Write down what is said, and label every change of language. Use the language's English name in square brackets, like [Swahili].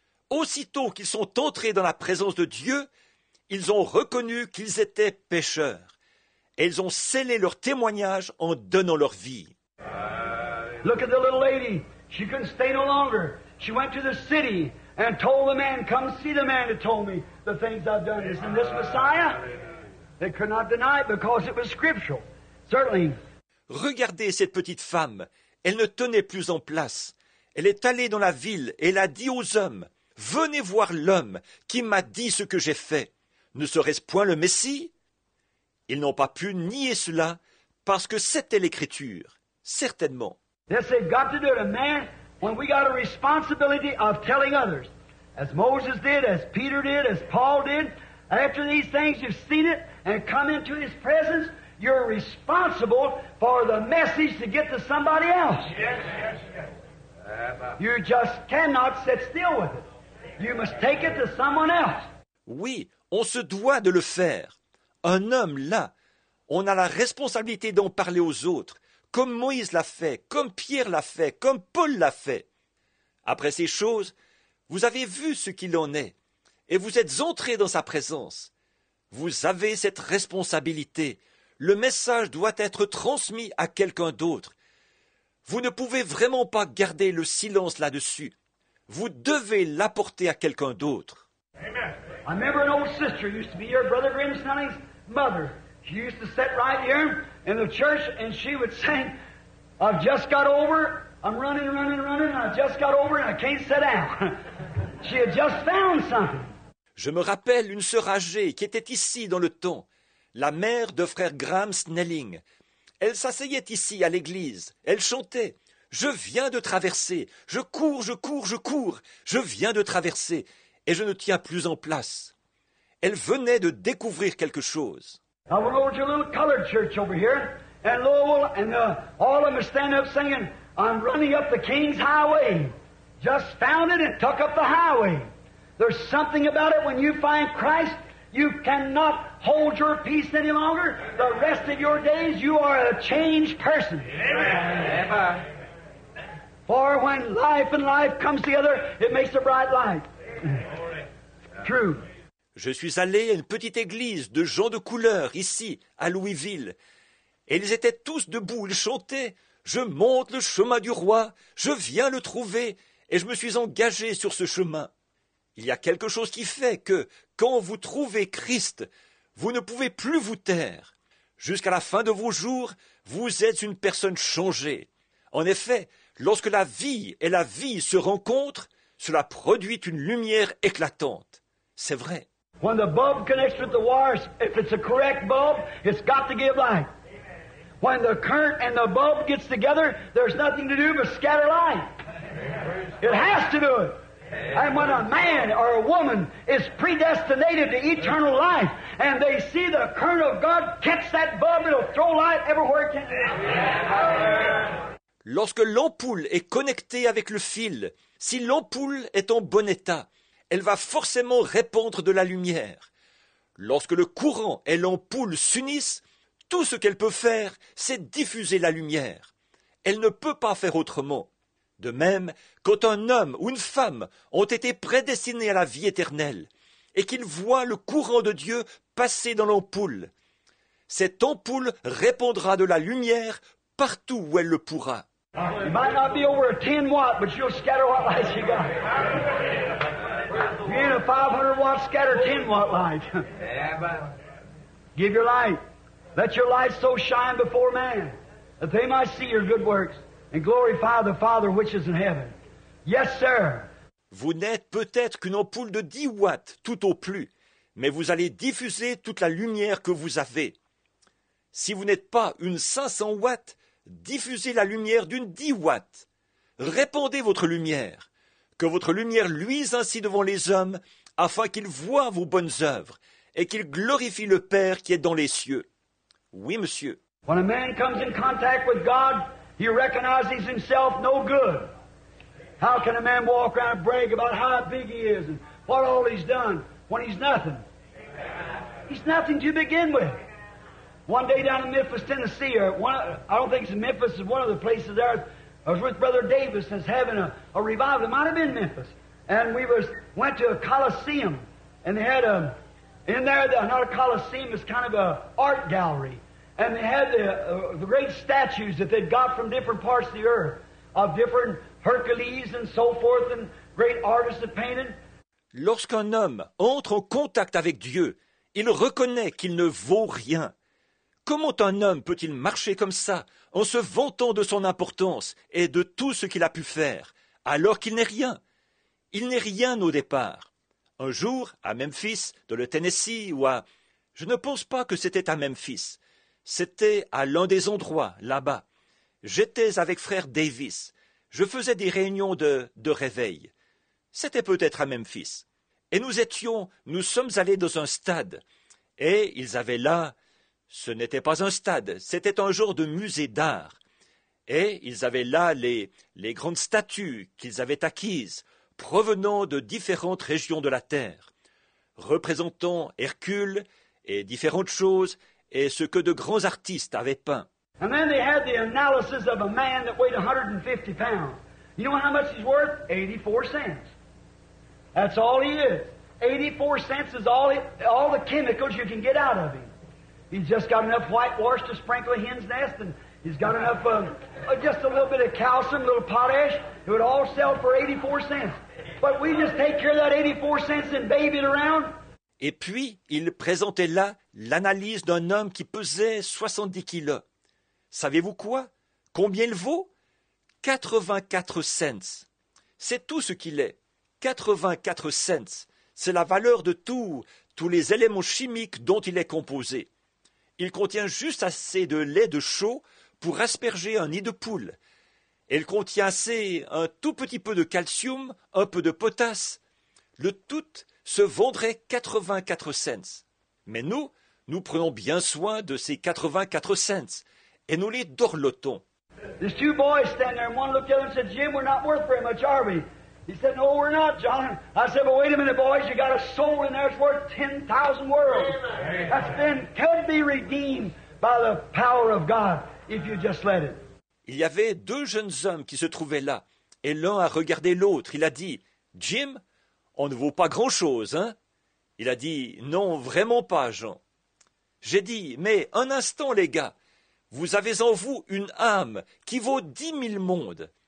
[French] Aussitôt qu'ils sont entrés dans la présence de Dieu, ils ont reconnu qu'ils étaient pécheurs. Et ils ont scellé leur témoignage en donnant leur vie. [English] Look at the little lady. She couldn't stay no longer. She went to the city and told the man, come see the man that told me the things I've done. Isn't this Messiah? They could not deny it because it was scriptural. Certainly. [French] Regardez cette petite femme. Elle ne tenait plus en place. Elle est allée dans la ville et elle a dit aux hommes, « Venez voir l'homme qui m'a dit ce que j'ai fait. Ne serait-ce point le Messie ?» Ils n'ont pas pu nier cela parce que c'était l'Écriture, certainement. [English] Yes, they've got to do it. A man, when we got a responsibility of telling others, as Moses did, as Peter did, as Paul did, after these things you've seen it and come into his presence, you're responsible for the message to get to somebody else. Yes, yes, yes. You just cannot sit still with it. You must take it to someone else. [French] Oui, on se doit de le faire. Un homme là, on a la responsabilité d'en parler aux autres, comme Moïse l'a fait, comme Pierre l'a fait, comme Paul l'a fait. Après ces choses, vous avez vu ce qu'il en est, et vous êtes entré dans sa présence. Vous avez cette responsabilité. Le message doit être transmis à quelqu'un d'autre. Vous ne pouvez vraiment pas garder le silence là-dessus. Vous devez l'apporter à quelqu'un d'autre. Amen. [English] I remember an old sister used to be your brother Grim Snelling's mother. She used to sit right here in the church and she would say, I've just got over, I'm running, running, running, I've just got over and I can't sit down. She had just found something. [French] Je me rappelle une sœur âgée qui était ici dans le temps, la mère de frère Graham Snelling. Elle s'asseyait ici à l'église, elle chantait, je viens de traverser, je cours, je cours, je cours, je viens de traverser. Et je ne tiens plus en place. Elle venait de découvrir quelque chose. [English] I went over to a little colored church over here, and Lowell and all of them stand up singing, I'm running up the King's Highway. Just found it and took up the highway. There's something about it when you find Christ, you cannot hold your peace any longer. The rest of your days, you are a changed person. Amen. For when life and life comes together, it makes a bright light. True. [French] Je suis allé à une petite église de gens de couleur ici à Louisville et ils étaient tous debout, ils chantaient « Je monte le chemin du roi, je viens le trouver et je me suis engagé sur ce chemin ». Il y a quelque chose qui fait que quand vous trouvez Christ, vous ne pouvez plus vous taire. Jusqu'à la fin de vos jours, vous êtes une personne changée. En effet, lorsque la vie et la vie se rencontrent, cela produit une lumière éclatante. C'est vrai. [English] When the bulb connects with the wires, if it's a correct bulb, it's got to give light. When the current and the bulb gets together, there's nothing to do but scatter light. It has to do it. And when a man or a woman is predestinated to eternal life, and they see the current of God catch that bulb, it'll throw light everywhere it can. [French] Lorsque l'ampoule est connectée avec le fil, si l'ampoule est en bon état, elle va forcément répandre de la lumière. Lorsque le courant et l'ampoule s'unissent, tout ce qu'elle peut faire, c'est diffuser la lumière. Elle ne peut pas faire autrement. De même, quand un homme ou une femme ont été prédestinés à la vie éternelle et qu'ils voient le courant de Dieu passer dans l'ampoule, cette ampoule répandra de la lumière partout où elle le pourra. [English] You might not be over a 10 watt, but you'll scatter what lights you got. You ain't a 500 watt scatter 10 watt light. Give your light. Let your light so shine before man that they might see your good works and glorify the Father which is in heaven. Yes, sir. [French] Vous n'êtes peut-être qu'une ampoule de 10 watts tout au plus, mais vous allez diffuser toute la lumière que vous avez. Si vous n'êtes pas une 500 watts, diffusez la lumière d'une 10 watts. Répandez votre lumière. Que votre lumière luise ainsi devant les hommes, afin qu'ils voient vos bonnes œuvres et qu'ils glorifient le Père qui est dans les cieux. Oui, monsieur. [English] When a man comes in contact with God, he recognizes himself no good. How can a man walk around and brag about how big he is and what all he's done when he's nothing? He's nothing to begin with. One day down in Memphis, Tennessee, or one, I don't think it's in Memphis, it's one of the places there, I was with Brother Davis and was having a revival. It might have been Memphis. And we went to a Coliseum, and they had not a Coliseum, it's kind of an art gallery. And they had the great statues that they'd got from different parts of the earth, of different Hercules and so forth, and great artists that painted. [French] Lorsqu'un homme entre en contact avec Dieu, il reconnaît qu'il ne vaut rien. comment un homme peut-il marcher comme ça, en se vantant de son importance et de tout ce qu'il a pu faire, alors qu'il n'est rien? Il n'est rien au départ. Un jour, à Memphis, dans le Tennessee, ou à... Je ne pense pas que c'était à Memphis. C'était à l'un des endroits, là-bas. J'étais avec frère Davis. Je faisais des réunions de réveil. C'était peut-être à Memphis. Et nous sommes allés dans un stade. Et ils avaient là... Ce n'était pas un stade, c'était un genre de musée d'art. Et ils avaient là les grandes statues qu'ils avaient acquises, provenant de différentes régions de la Terre, représentant Hercule et différentes choses et ce que de grands artistes avaient peint. [English] And then they had the analysis of a man that weighed 150 pounds. You know how much he's worth? 84 cents. That's all he is. 84 cents is all the chemicals you can get out of him. He's just got enough whitewash to sprinkle a hen's nest, and he's got enough, just a little bit of calcium, a little potash. It would all sell for 84 cents. But we just take care of that 84 cents and baby it around. [French] Et puis, il présentait là l'analyse d'un homme qui pesait 70 kilos. Savez-vous quoi? Combien il vaut? 84 cents. C'est tout ce qu'il est. 84 cents. C'est la valeur de tous les éléments chimiques dont il est composé. Il contient juste assez de lait de chaux pour asperger un nid de poule. Il contient assez un tout petit peu de calcium, un peu de potasse. Le tout se vendrait 84 cents. Mais nous prenons bien soin de ces 84 cents et nous les dorlotons. [English] These two boys stand there and one looked at them and said, Jim, we're not worth very much, are we? He said, no, we're not, John. I said, but wait a minute, boys. You got a soul in there that's worth 10,000 worlds. Amen. That's been, can be redeemed by the power of God if you just let it. [French] Il y avait deux jeunes hommes qui se trouvaient là. Et l'un a regardé l'autre. Il a dit, Jim, on ne vaut pas grand-chose, hein? Il a dit, non, vraiment pas, Jean. J'ai dit, mais un instant, les gars. Vous avez en vous une âme qui vaut 10 000 mondes.